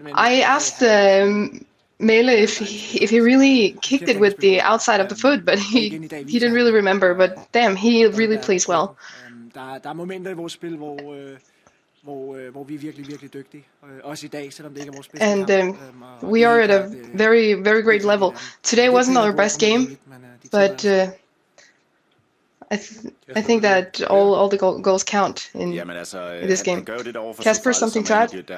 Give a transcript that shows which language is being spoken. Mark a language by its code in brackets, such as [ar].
[en] I asked Mæhle if he really kicked it with the outside of the foot, but he didn't really remember, but damn, he really plays well. [da] Der er momenter i vores spil, hvor vi er virkelig, virkelig dygtige, også i dag, selvom det ikke er vores bedste. [en] And we are at a very, very great level. Today wasn't our best game, but I think that all the goals count in this game. Kasper, something to add?